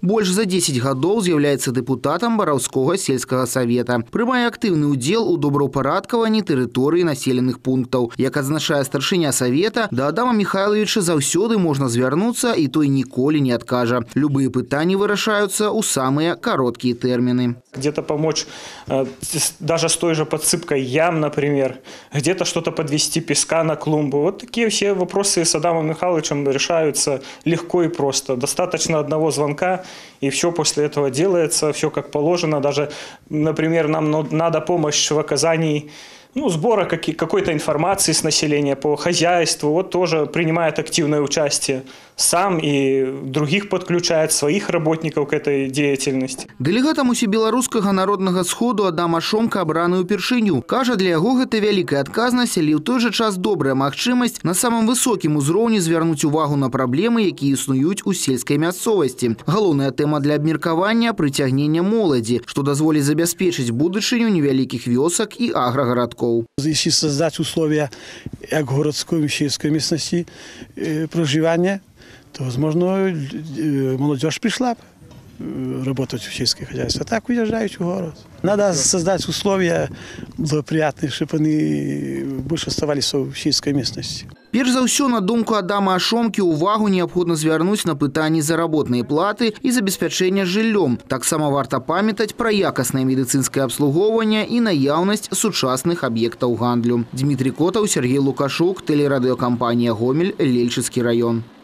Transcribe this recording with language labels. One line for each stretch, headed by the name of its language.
Belarusian: Больш за 10 гадоў з'яўляецца дэпутатам Бараўскога сельскага савета. Прымае актыўны ўдзел у добраўпарадкаванні тэрыторыі населеных пунктаў. Як адзначае старшыня савета, да Адама Міхайловіча заўсёды можна звярнуцца, і той ніколі не адкажа. Любыя пытанні вырашаюцца ў самыя кароткія тэрміны.
Russian: Где-то помочь даже с той же подсыпкой ям, например, где-то что-то подвести песка на клумбу. Вот такие все вопросы с Адамом Михайловичем решаются легко и просто. Достаточно одного звонка, и все после этого делается, все как положено. Даже, например, нам надо помощь в оказании сбора какой-то информации с населения по хозяйству, вот тоже принимает активное участие. Сам и других подключает, своих работников к этой деятельности.
Belarusian: Делегатам усебеларускага народного сходу Адама Шомка обраны упершыню. Кажа, для яго гэта вялікая адказнасць, але ў той же час добрая магчымасць на самым высокім узроўні звярнуць увагу на праблемы, якія існуюць у сельскай мясцовасці. Галоўная тэма для абмеркавання – прыцягнення моладзі, што дазволіць забяспечыць будучыню невялікіх вёсак і аграгарадкоў.
Russian: Если создать условия як городской, як сельской местности проживания, то, возможно, молодежь пришла работать в сельское хозяйство. Так уезжают в город. Надо создать условия благоприятные, чтобы они больше оставались в сельской местности.
Belarusian: Перш за ўсё, на думку Адама Ашомкі, увагу неабходна звярнуць на пытанні заработнай платы і забеспячэння жыллём. Таксама варта памятаць пра якаснае медыцынскае абслугоўванне і наяўнасць сучасных аб'ектаў гандлю. Дмітрий Котаў, Сергей Лукашук, тэлерадыёкампанія Гомель, Лельчыцкі район.